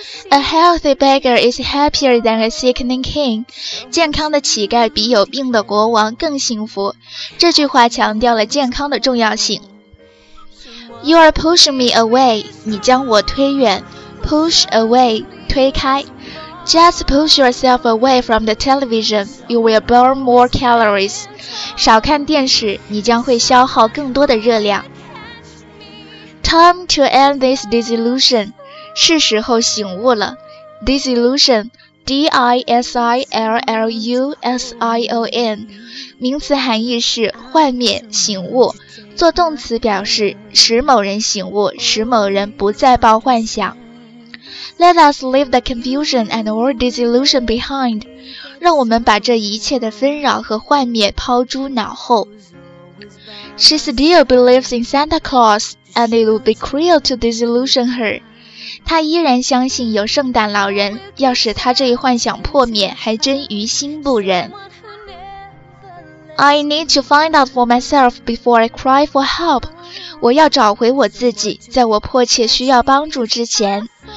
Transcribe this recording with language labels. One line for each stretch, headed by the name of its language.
English: A healthy beggar is happier than a sickening king.
Chinese: 健康的乞丐比有病的国王更幸福。这句话强调了健康的重要性。
English: You are pushing me away.
Chinese: 你将我推远。
English: Push away,
Chinese: 推开。
English: Just push yourself away from the television. You will burn more calories.
Chinese: 少看电视，你将会消耗更多的热量。
English: Time to end this disillusion.
Chinese: 是时候醒悟了。
English: Disillusion, D-I-S-I-L-L-U-S-I-O-N.
Chinese: 名词含义是幻灭、醒悟。做动词表示使某人醒悟，使某人不再抱幻想。
English: Let us leave the confusion and our disillusion behind.
Chinese: 让我们把这一切的纷扰和幻灭抛诸脑后。
English: She still believes in Santa Claus, and it would be cruel to disillusion her.
Chinese: 她依然相信有圣诞老人，要使她这一幻想破灭，还真于心不忍。
English: I need to find out for myself before I cry for help.
Chinese: 我要找回我自己，在我迫切需要帮助之前。